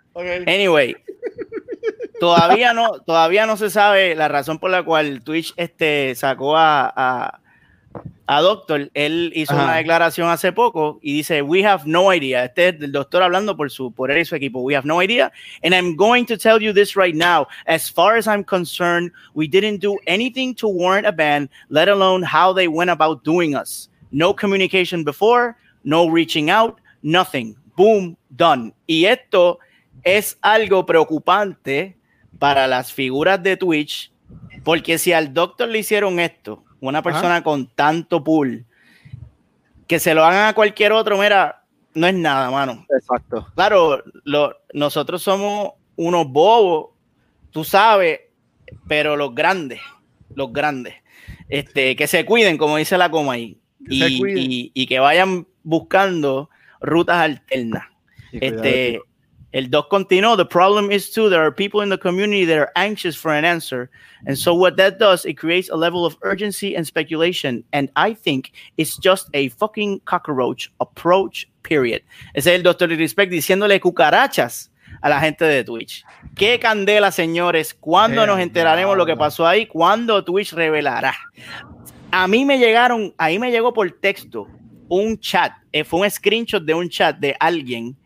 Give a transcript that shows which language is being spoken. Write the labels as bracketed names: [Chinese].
[English] Okay. [Spanish] Anyway, todavía no se sabe la razón por la cual Twitch sacó a Doctor. Él hizo una declaración hace poco y dice: [English] "We have no idea." [Spanish] Este es el doctor hablando por él y su equipo. [English] "We have no idea. And I'm going to tell you this right now. As far as I'm concerned, we didn't do anything to warrant a ban, let alone how they went about doing us. No communication before, no reaching out, nothing. Boom, done." [Spanish] Y esto es algo preocupante para las figuras de Twitch, porque si al doctor le hicieron esto, una persona con tanto pool, que se lo hagan a cualquier otro, mira, no es nada, mano. Exacto. Claro, nosotros somos unos bobos, tú sabes, pero los grandes, que se cuiden, como dice la coma ahí, y que vayan buscando rutas alternas. El doc continuó: [English] "The problem is too, there are people in the community that are anxious for an answer. And so what that does, it creates a level of urgency and speculation. And I think it's just a fucking cockroach approach, period." [Spanish] Ese es el doctor de Respect diciéndole cucarachas a la gente de Twitch. ¡Qué candela, señores! ¿Cuándo nos enteraremos lo que pasó ahí? ¿Cuándo Twitch revelará? Ahí me llegó por texto un chat. Fue un screenshot de un chat de alguien.